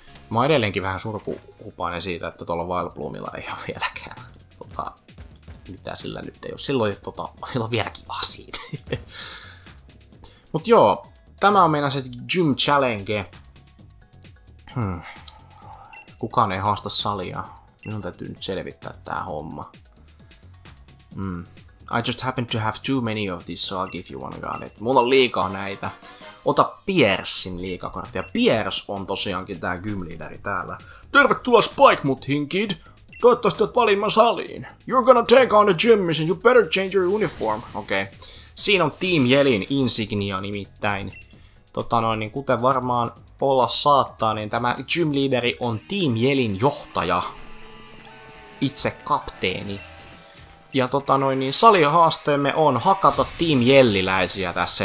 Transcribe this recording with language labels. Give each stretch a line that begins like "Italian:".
Finnish: Mä oon edelleenkin vähän surpuhupainen siitä, että tuolla Wildbloomilla ei ole vieläkään. Mitä sillä nyt ei ole. Silloin ei ole vielä kivaa siitä. Mut joo, tämä on meidän se gym challenge. Kukaan ei haasta salia. Minun täytyy nyt selvittää tää homma.
English: I just happen to have too many of these, so I'll give you one got it.
Finnish: Mulla on liikaa näitä. Ota Piersin liikakortti. Ja Piers on tosiaankin tää gym leaderi täällä. Tervetuloa Spike Muttiin, kid! Toivottavasti oot valimman saliin.
English: You're gonna take on the gym, and you better change your uniform.
Finnish: Okei. Okay. Siinä on Team Jelin insignia nimittäin. Niin kuten varmaan olla saattaa, niin tämä gym leaderi on Team Jelin johtaja. Itse kapteeni. Ja niin salihaasteemme on hakata Team Jelliläisiä tässä.